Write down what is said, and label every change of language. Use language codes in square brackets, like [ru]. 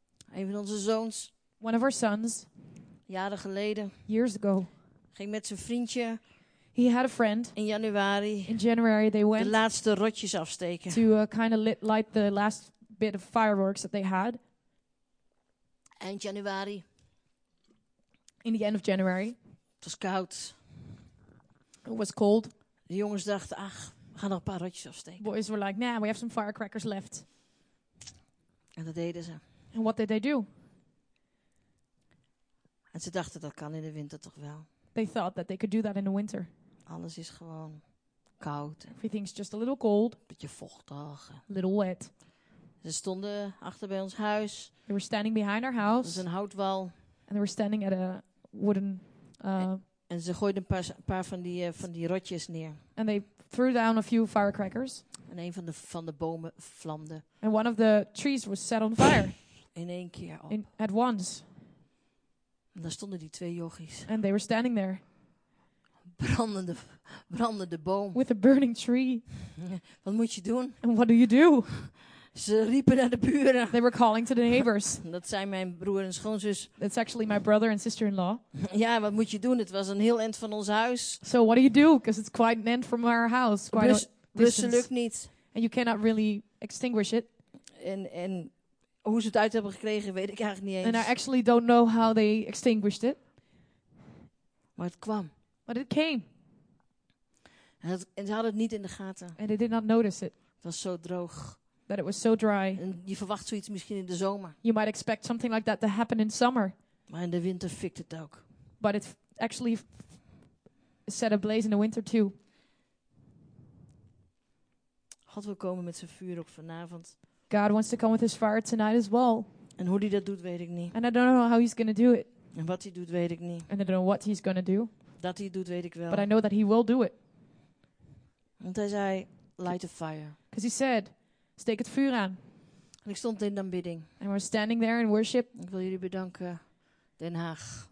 [nl] Een van onze zoons. [en] One of our sons. [nl] Jaren geleden. [en] Years ago. [nl] Ging met zijn vriendje. [en] He had a friend. [nl] In januari. [en] In January they went. [nl] De laatste rotjes afsteken. [en] To kind of light the last bit of fireworks that they had. [nl] Eind januari. [en] In the end of January. [nl] Het was koud. [en] It was cold. [nl] De jongens dachten, ach, we gaan nog een paar rotjes afsteken. [en] Boys were like, nah, we have some firecrackers left. [nl] En dat deden ze. [en] And what did they do? [nl] En ze dachten, dat kan in de winter toch wel. [en] They thought that they could do that in the winter. [nl] Alles is gewoon koud. [en] Everything's just a little cold. [nl] Beetje vochtig. [en] Little wet. [nl] Ze stonden achter bij ons huis. [en] They were standing behind our house. [nl] Dat is een houtwal. [en] And they were standing at a wooden... [nl] En ze gooiden een paar van die rotjes neer. [en] And they threw down a few firecrackers. [nl] En een van de bomen vlamde. [en] And one of the trees was set on fire. [nl] In één keer op. In, [en] at once. [nl] En daar stonden die twee jochies. [en] And they were standing there. [nl] Brandende boom. [en] With a burning tree. [nl] Wat moet je doen? [en] And what do you do? [nl] Ze riepen naar de buren. [en] They were calling to the neighbors. [nl] Dat zijn mijn broer en schoonzus. [en] That's actually my brother and sister-in-law. [nl] Ja, wat moet je doen? Het was een heel end van ons huis. [en] So what do you do? Because it's quite an end from our house. [nl] Blussen lukt niet. [en] And you cannot really extinguish it. [nl] En hoe ze het uit hebben gekregen, weet ik eigenlijk niet eens. [en] And I actually don't know how they extinguished it. [nl] Maar het kwam. [en] But it came. [nl] En ze hadden het niet in de gaten. [en] And they did not notice it. [nl] Het was zo droog. [en] That it was so dry. [nl] En je verwacht zoiets misschien in de zomer. [en] You might expect something like that to happen in summer. [nl] Maar in de winter fikt het ook. [en] But it actually set ablaze in the winter too. [nl] God wil komen met zijn vuur ook vanavond. [en] God wants to come with his fire tonight as well. [nl] En hoe hij dat doet, weet ik niet. [en] And I don't know how he's going to do it. [nl] En wat hij doet, weet ik niet. [en] And I don't know what he's going to do. [nl] Dat hij doet, weet ik wel. [en] But I know that he will do it. [nl] Want hij zei, [en] light a fire. Because he said, [nl] steek het vuur aan. En ik stond in de aanbidding. [en] And we're standing there in worship. [nl] Ik wil jullie bedanken, Den Haag.